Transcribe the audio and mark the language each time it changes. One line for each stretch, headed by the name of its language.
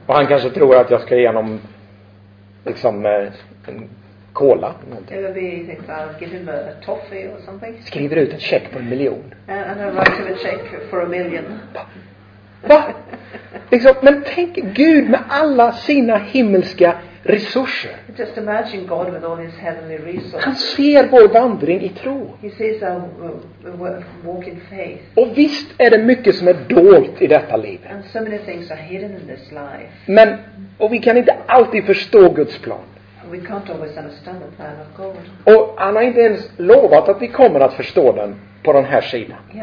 Swedish: Och han kanske tror att jag ska ge honom liksom en cola någonting.
English: Maybe he thinks I'll give him a toffee or something.
Swedish: Skriver ut en check på en miljon.
English: And I write him a check for a million.
Swedish: Va? Liksom, men tänk Gud med alla sina himmelska resurser.
English: Just imagine God with all his heavenly resources.
Swedish: Han ser vår vandring i tro.
English: He sees our walk in faith.
Swedish: Och visst är det mycket som är dolt i detta liv.
English: And so many things are hidden in this life.
Swedish: Men, och vi kan inte alltid förstå Guds plan.
English: We can't always understand the plan of God.
Swedish: Och han har inte ens lovat att vi kommer att förstå den. På den här sidan.